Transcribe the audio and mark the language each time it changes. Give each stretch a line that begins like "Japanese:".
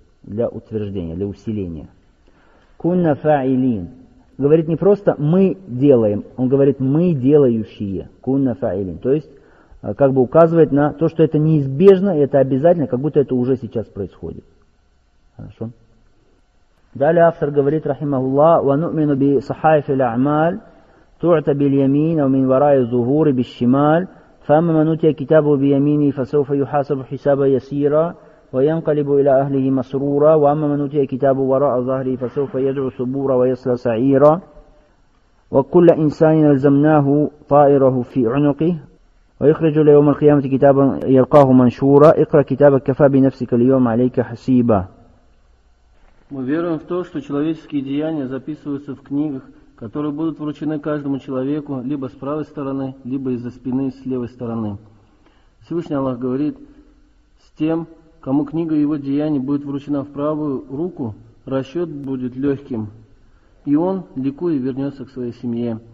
Russian: Для утверждения, для усиления. «Кунна фаилин». Говорит не просто «мы делаем», он говорит «мы делающие». «Кунна фаилин». То есть, как бы указывает на то, что это неизбежно, это обязательно, как будто это уже сейчас происходит. Хорошо? Далее автор говорит, рахимахуллах,
Arabic: وَنُؤْمِنُ بِصَحَائِفِ الْأَعْمَالِ تُعْتَ بِالْيَمِينَ وَمِنْ وَرَائِ زُهُورِ بِالشِّمَالِ فَأَمَّا مَنْ أُوتِيَ كِتَابَهُ بِيَمِينِهِ فَسَوْفَ يُحَاسَبُ حِسَابًا يَسِيرًا وَيَنْقَلِبُ إِلَى أَهْلِهِ مَسْرُورًا وَأَمَّا مَنْ أُوتِيَ كِتَابَهُ وَرَاءَ ظَهْرِهِ فَسَوْفَ يَدْعُو ثُبُورًا وَيَصْلَى سَعِيرًا وَكُلَّ إِنْسَانٍ أَلْزَمْنَاهُ طَائِرَهُ فِي عُنُقِهِ وَيُخْرِجُ لَيَوْمِ الْقِيَامَةِ كِتَابًا يَلْقَاهُ مَنْشُورًا اقْرَأْ كِتَابَكَ كَفَى بِنَفْسِكَ الْيَوْمَ عَلَيْكَ حَسِيبًا.
Russian: Мы веруем в то, что человеческие деяния записываются в книгах, которые будут вручены каждому человеку либо с правой стороны, либо из-за спины с левой стороны. Всевышний Аллах говорит, с тем, кому книга его деяний будет вручена в правую руку, расчет будет легким, и он, ликуя, вернется к своей семье.